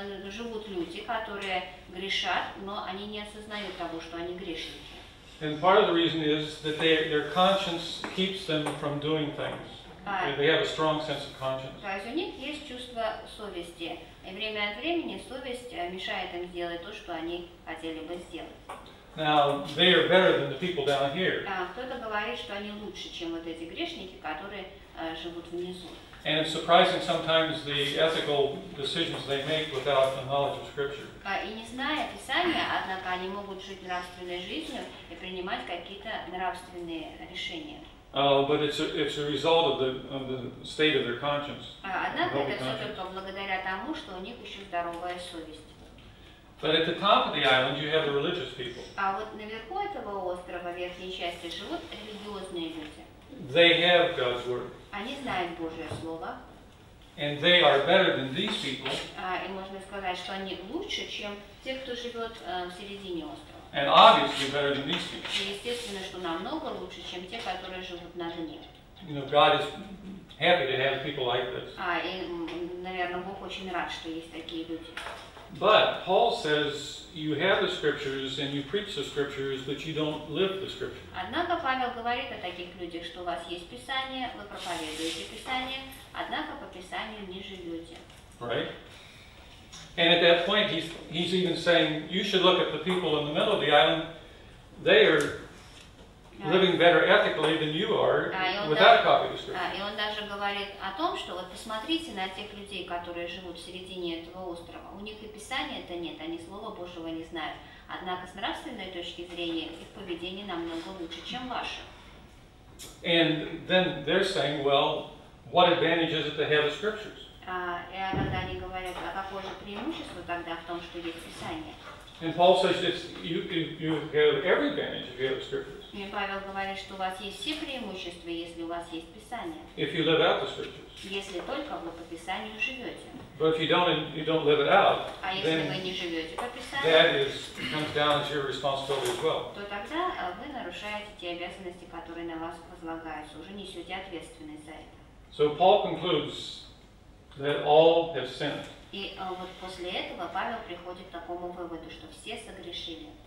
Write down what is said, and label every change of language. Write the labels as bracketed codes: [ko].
[ru] Живут люди, которые грешат, но они не осознают того, что они грешники. [en] And part of the reason is that their conscience keeps them from doing things. They have a strong sense of conscience. [ru] То есть у них есть чувство совести, и время от времени совесть мешает им сделать то, что они хотели бы сделать. [en] Now they are better than the people down here. [ru] Кто-то говорит, что они лучше, чем вот эти грешники, которые живут внизу. [en] And it's surprising sometimes the ethical decisions they make without a knowledge of Scripture. [ru] И не зная Писания, однако они могут жить нравственной жизнью и принимать какие-то нравственные решения. [en] But it's a result of the state of their conscience. [ru] Однако это все только благодаря тому, что у них еще здоровая совесть. [en] But at the top of the island, you have the religious people. [ru] А вот наверху этого острова, в верхней части, живут религиозные люди. [en] They have God's word. [ru] Они знают Божье слово. [en] And they are better than these people. [ru] И можно сказать, что они лучше, чем те, кто живет в середине острова. [en] And obviously better than these people. [ru] И естественно, что намного лучше, чем те, которые живут на дне. [en] You know, God is happy to have people like this. [ru] И, наверное, Бог очень рад, что есть такие люди. [en] But Paul says you have the scriptures and you preach the scriptures, but you don't live the scriptures. [ru] Однако Павел говорит о таких людях, что у вас есть Писание, вы проповедуете Писание, однако по Писанию не живете. [en] Right. And at that point, he's even saying you should look at the people in the middle of the island. They are living better ethically than you are without a copy of the scripture. [ru] И он даже говорит о том, что вот посмотрите на тех людей, которые живут в середине этого острова. У них и Писания-то нет, они Слова Божьего не знают. Однако с нравственной точки зрения их поведение намного лучше, чем ваше. [en] And then they're saying, well, what advantage is it to have the scriptures? [ru] И когда они говорят, а какое же преимущество тогда в том, что есть Писание? [en] And Paul says you have every advantage if you have the scriptures. [ru] И Павел говорит, что у вас есть все преимущества, если у вас есть Писание. [en] If you live out the scriptures. [ru] Если только вы по Писанию живете. [en] But if you don't live it out, [ru] а [en] then [ru] если вы не живете по Писанию, [en] that is comes down as your responsibility as well. [ru] То тогда вы нарушаете те обязанности, которые на вас возлагаются, уже несете ответственность за это. [en] So Paul concludes that all have sinned. [ru] И вот после этого Павел приходит к такому выводу, что все согрешили.